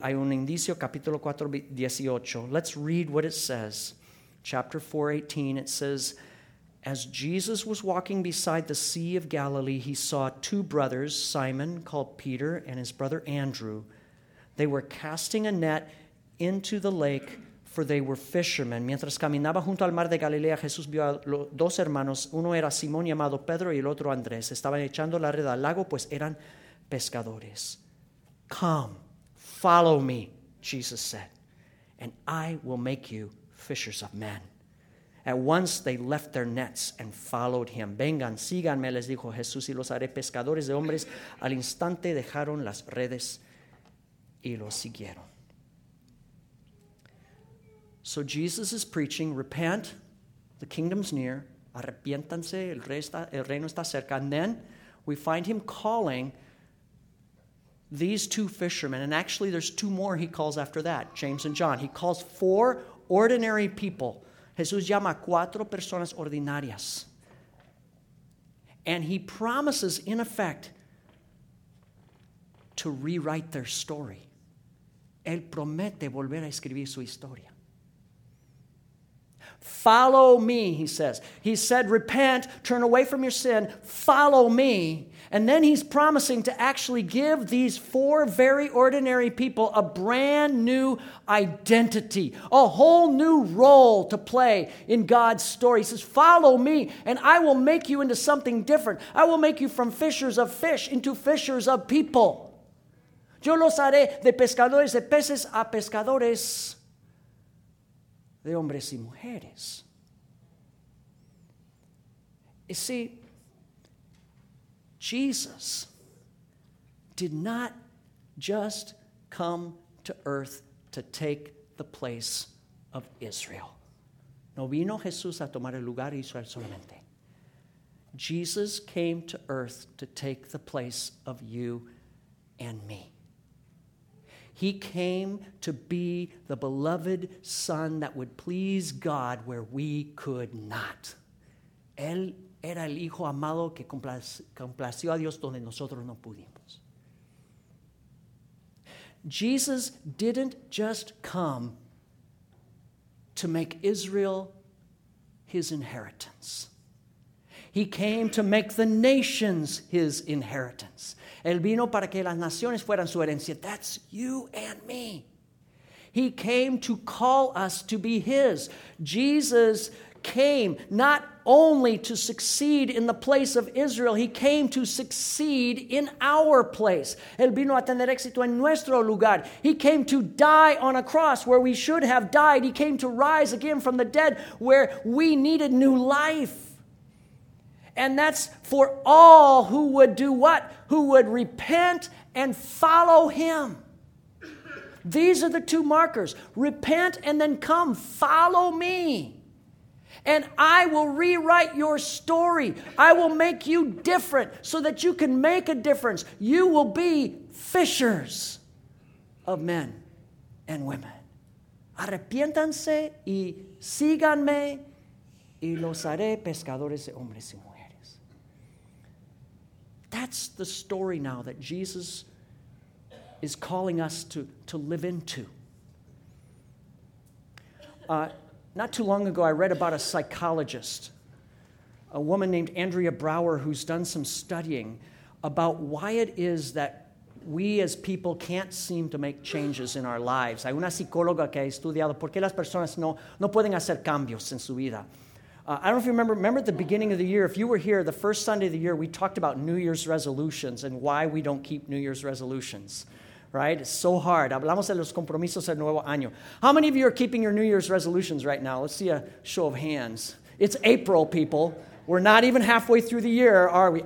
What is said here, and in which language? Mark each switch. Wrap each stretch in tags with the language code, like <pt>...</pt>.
<es>Hay un indicio, capítulo 4, 18.</es> <en>Let's read what it says. Chapter 4, 18, it says, as Jesus was walking beside the Sea of Galilee, he saw two brothers, Simon, called Peter, and his brother Andrew. They were casting a net into the lake, for they were fishermen.</en> <es>Mientras caminaba junto al mar de Galilea, Jesús vio a dos hermanos. Uno era Simón, llamado Pedro, y el otro Andrés. Estaban echando la red al lago, pues eran pescadores.</es> <en>Come, follow me, Jesus said, and I will make you fishers of men. At once they left their nets and followed him.</en> <es>Vengan, síganme, les dijo Jesús, y los haré pescadores de hombres. Al instante dejaron las redes y los siguieron.</es> <en>So Jesus is preaching, repent, the kingdom's near.</en> <es>Arrepiéntanse, el reino está cerca.</es> <en>And then we find him calling these two fishermen. And actually there's two more he calls after that, James and John. He calls four ordinary people.</en> <es>Jesús llama cuatro personas ordinarias.</es> <en>And he promises, in effect, to rewrite their story.</en> <es>Él promete volver a escribir su historia.</es> <en>Follow me, he says. He said, repent, turn away from your sin, follow me. And then he's promising to actually give these four very ordinary people a brand new identity, a whole new role to play in God's story. He says, follow me, and I will make you into something different. I will make you from fishers of fish into fishers of people.</en> <es>Yo los haré de pescadores de peces a pescadores de hombres y mujeres.</es> <en>You see, Jesus did not just come to earth to take the place of Israel.</en> <es>No vino Jesús a tomar el lugar de Israel solamente.</es> <en>Jesus came to earth to take the place of you and me. He came to be the beloved son that would please God where we could not.</en> <es>Él era el hijo amado que complació a Dios donde nosotros no pudimos.</es> <en>Jesus didn't just come to make Israel his inheritance. He came to make the nations his inheritance.</en> <es>Él vino para que las naciones fueran su herencia.</es> <en>That's you and me. He came to call us to be his. Jesus came not only to succeed in the place of Israel. He came to succeed in our place.</en> <es>Él vino a tener éxito en nuestro lugar.</es> <en>He came to die on a cross where we should have died. He came to rise again from the dead where we needed new life. And that's for all who would do what? Who would repent and follow him. These are the two markers. Repent and then come. Follow me. And I will rewrite your story. I will make you different so that you can make a difference. You will be fishers of men and women.</en> <es>Arrepiéntanse y síganme y los haré pescadores de hombres y mujeres.</es> <en>That's the story now that Jesus is calling us to live into. Not too long ago, I read about a psychologist, a woman named Andrea Brower, who's done some studying about why it is that we as people can't seem to make changes in our lives.</en> <es>Hay una psicóloga que ha estudiado por qué las personas no pueden hacer cambios en su vida.</es> <en>I don't know if you remember at the beginning of the year, if you were here the first Sunday of the year, we talked about New Year's resolutions and why we don't keep New Year's resolutions, right? It's so hard.</en> <es>Hablamos de los compromisos del nuevo año.</es> <en>How many of you are keeping your New Year's resolutions right now? Let's see a show of hands. It's April, people. We're not even halfway through the year, are we?</en>